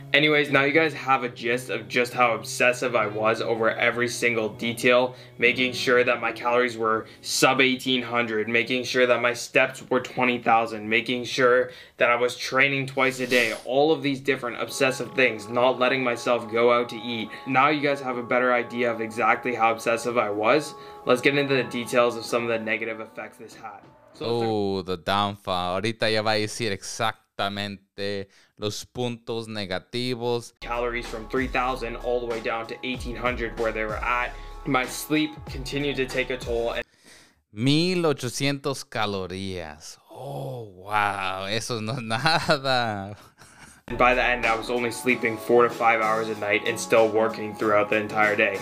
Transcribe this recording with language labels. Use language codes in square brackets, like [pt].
[en] Anyways, now you guys have a gist of just how obsessive I was over every single detail, making sure that my calories were sub 1800, making sure that my steps were 20,000, making sure that I was training twice a day, all of these different obsessive things, not letting myself go out to eat. Now you guys have a better idea of exactly how obsessive I was. Let's get into the details of some of the negative effects this had. Oh, the downfall. [es] Ahorita ya va a decir exactamente los puntos negativos. [en] Calories from 3,000 all the way down to 1,800 where they were at. My sleep continued to take a toll. [es] 1,800 calorías. Oh, wow. Eso no es nada. [en] And by the end, I was only sleeping 4 to 5 hours a night and still working throughout the entire day.